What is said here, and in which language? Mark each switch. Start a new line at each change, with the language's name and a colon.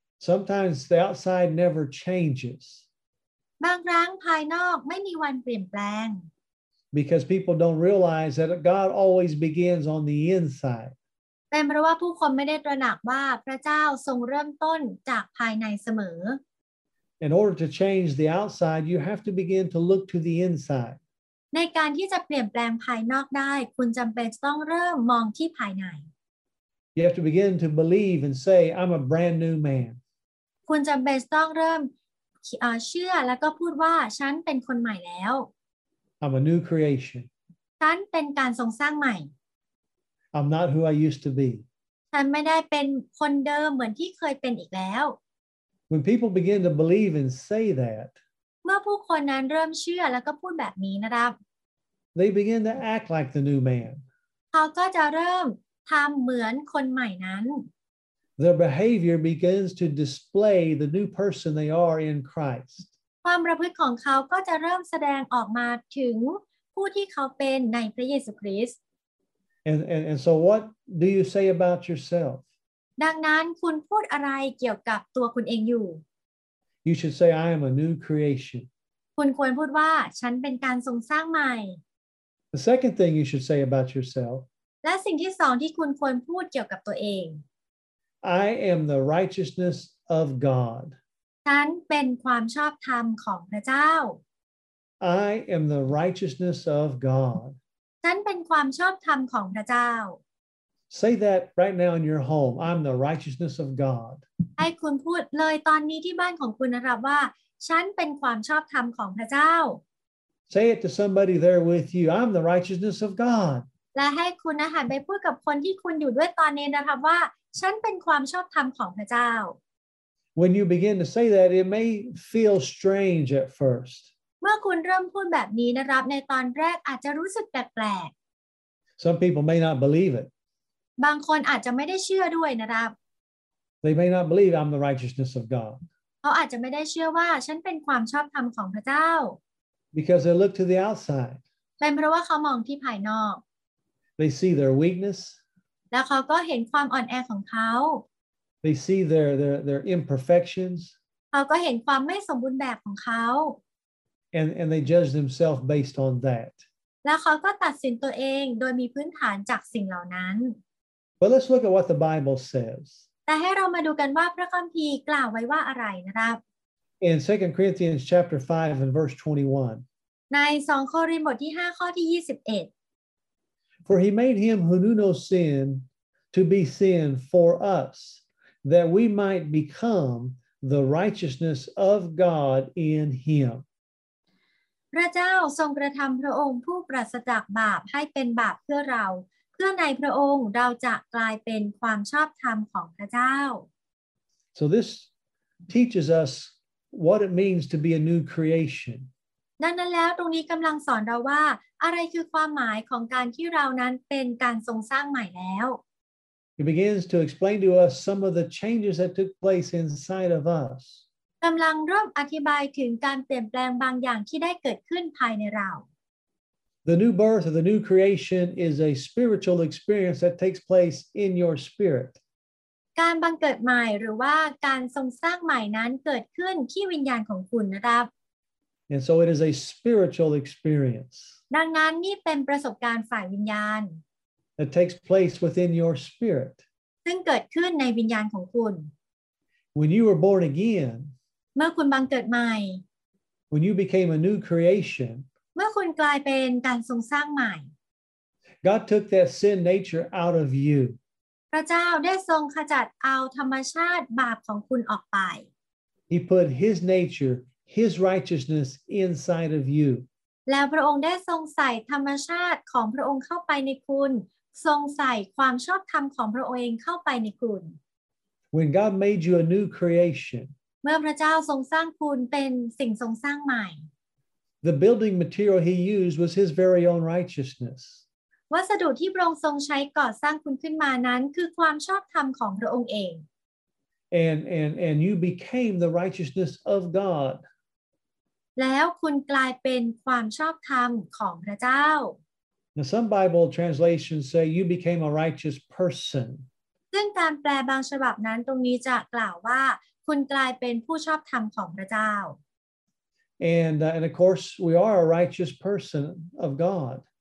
English: Sometimes the outside never changes.
Thai: บางครั้งภายนอกไม่มีวันเปลี่ยนแปลง
English: Because people don't realize that God always begins on the inside.
Thai: เป็นเพราะว่าผู้คนไม่ได้ตระหนักว่าพระเจ้าทรงเริ่มต้นจากภายในเสม
English: อ In order to change the outside, you have to begin to look to the inside.
Thai: ในการที่จะเปลี่ยนแปลงภายนอกได้คุณจำเป็นต้องเริ่มมองที่ภายใน
English: You have to begin to believe and say, I'm a brand new man.
Thai: คุณจำเป็นต้องเริ่มเชื่อแล้วก็พูดว่าฉันเป็นคนใหม่แล้ว
English: I'm a new creation.
Thai: ฉันเป็นการทรงสร้างใหม่
English: I'm not who I used to be.
Thai: ฉันไม่ได้เป็นคนเดิมเหมือนที่เคยเป็นอีกแล้ว
English: When people begin to believe and say that,
Thai: เมื่อผู้คนนั้นเริ่มเชื่อแล้วก็พูดแบบนี้นะครับ
English: They begin to act like the new man.
Thai: เขาก็จะเริ่มทำเหมือนคนใหม่นั้น
English: Their behavior begins to display the new person they are in Christ.
Thai: ความประพฤติของเขาก็จะเริ่มแสดงออกมาถึงผู้ที่เขาเป็นในพระเยซูคริสต์
English: And so what do you say about yourself?
Thai: ดังนั้นคุณพูดอะไรเกี่ยวกับตัวคุณเองอยู่
English: You should say I am a new creation.
Thai: คุณควรพูดว่าฉันเป็นการทรงสร้างใหม่
English: The second thing you should say about yourself.
Thai: และสิ่งที่สองที่คุณควรพูดเกี่ยวกับตัวเอง
English: I am the righteousness of God.
Thai: ฉันเป็นความชอบธรรมของพระเจ้า
English: I am the righteousness of God
Thai: ฉันเป็นความชอบธรรมของพระเจ้า
English: Say that right now in your home I'm the righteousness of God
Thai: ให้คุณพูดเลยตอนนี้ที่บ้านของคุณนะครับว่าฉันเป็นความชอบธรรมของพระเจ้า
English: Say it to somebody there with you I'm the righteousness of God
Thai: และให้คุณหันไปพูดกับคนที่คุณอยู่ด้วยตอนนี้นะครับว่าฉันเป็นความชอบธรรมของพระเจ้า
English: When you begin to say that, it may feel strange at first.
Thai: เมื่อคุณเริ่มพูดแบบนี้นะครับในตอนแรกอาจจะรู้สึกแปลก
English: ๆ Some people may not believe it.
Thai: บางคนอาจจะไม่ได้เชื่อด้วยนะครับ
English: They may not believe I'm the righteousness of God.
Thai: เขาอาจจะไม่ได้เชื่อว่าฉันเป็นความชอบธรรมของพระเจ้า
English: Because they look to the outside.
Thai: เป็นเพราะว่าเขามองที่ภายนอก
English: They see their weakness.
Thai: แล้วเขาก็เห็นความอ่อนแอของเขา
English: They see their imperfections.
Thai: เขาก็เห็นความไม่สมบูรณ์แบบของเขา
English: And they judge themselves based on that.
Thai: แล้วเขาก็ตัดสินตัวเองโดยมีพื้นฐานจากสิ่งเหล่านั้น
English: But let's look at what the Bible says.
Thai: แต่ให้เรามาดูกันว่าพระคัมภีร์กล่าวไว้ว่าอะไรนะครับ
English: In 2 Corinthians chapter 5 and verse 21.
Thai: ใน2โครินธ์บทที่5ข้อที่21
English: For he made him who knew no sin to be sin for us, that we might become the righteousness of God in him.
Thai: พระเจ้าทรงกระทำพระองค์ผู้ปราศจากบาปให้เป็นบาปเพื่อเราเพื่อในพระองค์เราจะกลายเป็นความชอบธรรมของพระเจ้า
English: So this teaches us what it means to be a new creation.
Thai: ดังนั้นแล้วตรงนี้กำลังสอนเราว่าอะไรคือความหมายของการที่เรานั้นเป็นการทรงสร้างใหม่แล้ว
English: It begins to explain to us some of the changes that took place inside of us.
Thai: กำลังเริ่มอธิบายถึงการเปลี่ยนแปลงบางอย่างที่ได้เกิดขึ้นภายในเรา
English: The new birth or the new creation is a spiritual experience that takes place in your spirit.
Thai: การบังเกิดใหม่หรือว่าการทรงสร้างใหม่นั้นเกิดขึ้นที่วิญญาณของคุณนะครับ
English: And so it is a spiritual experience.
Thai: ดังนั้นนี่เป็นประสบการณ์ฝ่ายวิญญาณ
English: It takes place within your spirit.
Thai: ซึ่งเกิดขึ้นในวิญญาณของคุณ
English: When you were born again.
Thai: เมื่อคุณบังเกิดใหม่
English: When you became a new creation.
Thai: เมื่อคุณกลายเป็นการทรงสร้างใหม่
English: God took that sin nature out of you.
Thai: พระเจ้าได้ทรงขจัดเอาธรรมชาติบาปของคุณออกไป
English: He put His nature. His righteousness inside of you.
Thai: แล้วพระองค์ได้ทรงใส่ธรรมชาติของพระองค์เข้าไปในคุณทรงใส่ความชอบธรรมของพระองค์เข้าไปในคุณ
English: When God made you a new creation.
Thai: เมื่อพระเจ้าทรงสร้างคุณเป็นสิ่งทรงสร้างใหม่
English: The building material he used was his very own righteousness.
Thai: วัสดุที่พระองค์ทรงใช้ก่อสร้างคุณขึ้นมานั้นคือความชอบธรรมของพระองค์เอง
English: And you became the righteousness of God.
Thai: แล้วคุณกลายเป็นความชอบธรรมของพระเจ้า
English: Now some Bible translations say you became a righteous person.
Thai: ซึ่งการแปลบางฉบับนั้นตรงนี้จะกล่าวว่าคุณกลายเป็นผู้ชอบธรรมของพระเจ้า
English: And of course we are a righteous person of God.